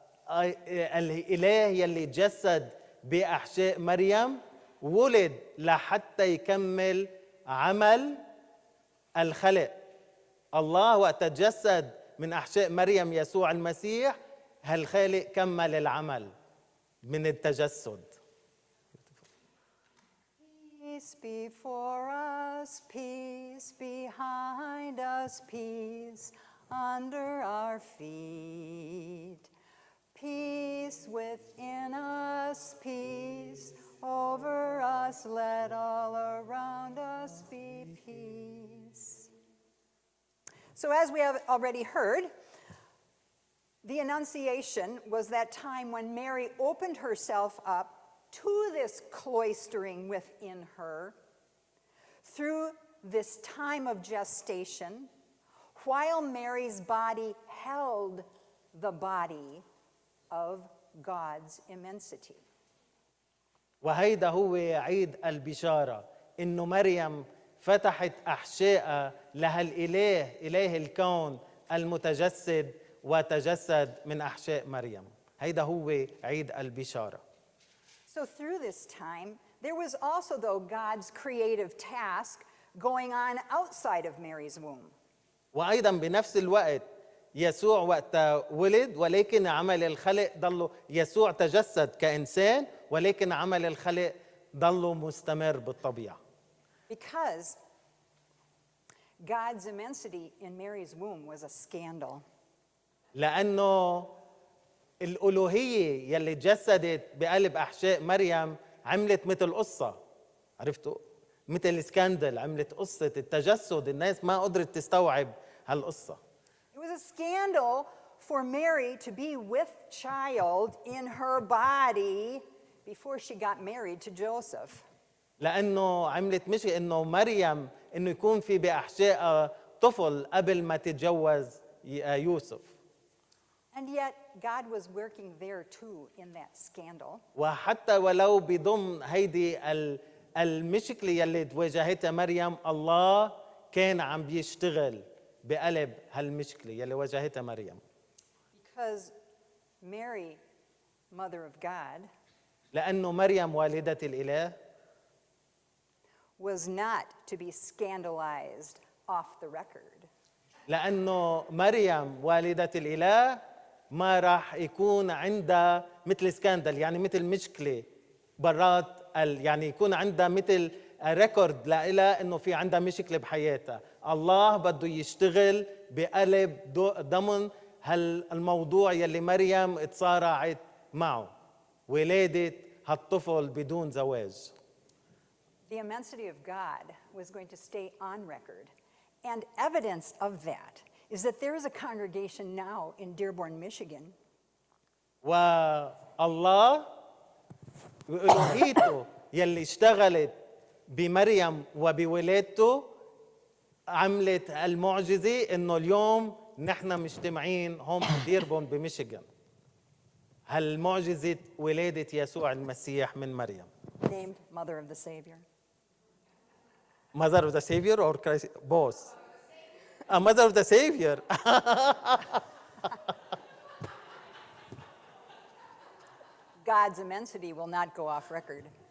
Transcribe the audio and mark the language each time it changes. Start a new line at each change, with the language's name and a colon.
Arabic: والإله يلي جسد بأحشاء مريم ولد لحتى يكمل عمل الخلق. الله وقت تجسد من أحشاء مريم يسوع المسيح هالخالق كمل العمل من التجسد.
English: Peace before us, peace behind us, peace under our feet. Peace within us, peace over us, let all around us be peace. So as we have already heard, the Annunciation was that time when Mary opened herself up to this cloistering within her through this time of gestation, while Mary's body held the body of God's immensity.
Arabic: وهيدا هو عيد البشارة إنه مريم فتحت أحشائها لهالإله إله الكون المتجسد وتجسد من أحشاء مريم. هيدا هو عيد البشارة.
English: So through this time, there was also though God's creative task going on outside of Mary's womb.
Arabic: وأيضا بنفس الوقت يسوع وقت ولد ولكن عمل الخلق ضلوا يسوع تجسد كإنسان ولكن عمل الخلق ضلوا مستمر بالطبيعة.
English: Because God's immensity in Mary's womb was a scandal.
Arabic: لأنه الألوهية يلي تجسدت بقلب أحشاء مريم عملت مثل قصة عرفتوا مثل سكاندل عملت قصة التجسد الناس ما قدرت تستوعب هالقصة.
English: It was a scandal for Mary to be with child in her body before she got married to Joseph.
Arabic: لأنه عملت مشي إنه مريم إنه يكون في بأحشاء طفل قبل ما تتجوز يوسف.
English: And yet God was working there too in that scandal.
Arabic: وحتى ولو بضمن هيدي المشكلة يلي واجهتها مريم الله كان عم بيشتغل بقلب هالمشكلة يلي واجهتها مريم.
English: Because Mary, mother of God,
Arabic: لأنه مريم والدة الإله
English: was not to be scandalized off the record.
Arabic: لأنه مريم والدة الإله ما راح يكون عندها مثل سكاندل يعني مثل مشكلة برات يعني يكون عندها مثل ريكورد لإله إنه في عندها مشكلة بحياتها. الله بده يشتغل بقلب ضمن هالموضوع يلي مريم اتصارعت معه ولادة هالطفل بدون زواج.
English: The immensity of God was going to stay on record. And evidence of that is that there is a congregation now in Dearborn, Michigan.
Arabic: والله وإلهيته يلي اشتغلت بمريم وبولادته عملت المعجزة إنه اليوم نحن مجتمعين هم في ديربورن بميشيغان. هالمعجزة ولادة يسوع المسيح من مريم.
English: Named Mother of the Savior. Mother of the Savior or Christ, both? A mother of the Savior. God's immensity will not go off record.